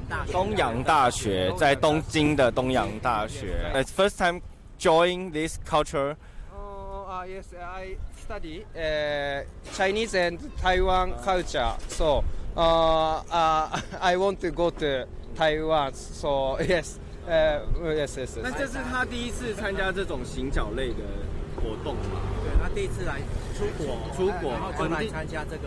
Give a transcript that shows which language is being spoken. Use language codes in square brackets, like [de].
[zh] 东洋大学，在东京的东洋大学。 [en] First time join this culture? Yes, I study Chinese and Taiwan culture. So I want to go to Taiwan, so yes. Yes. [zh] 那这是他第一次参加这种行脚类的活动吗？对，他第一次来出国，然后就来参加这个。